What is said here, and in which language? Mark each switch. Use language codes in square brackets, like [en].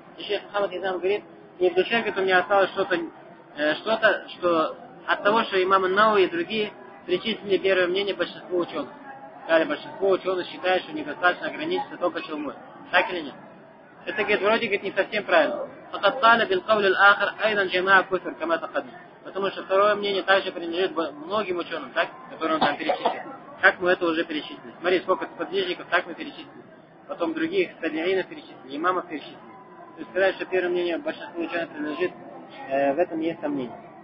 [ru] И шейх Мухаммад Изам говорит, и в душе, говорит, у меня осталось что-то, что от того, что имамы Науи и другие причислили первое мнение большинству ученых. Сказали, большинство ученых считают, что недостаточно ограничиться только чалмой. Так или нет? Это, говорит, вроде, говорит, не совсем правильно. [ar] فقد قال بالقول الآخر أيضا جماعة كثر كما تقدم. [ru] Потому что второе мнение также принадлежит многим ученым, так, которые он там перечислил. Как мы это уже перечислили? Смотри, сколько сподвижников, так мы перечислили. Потом других тадиинов перечислили, имамов перечислили. То есть сказать, что первое мнение большинства ученых принадлежит, в этом есть сомнение.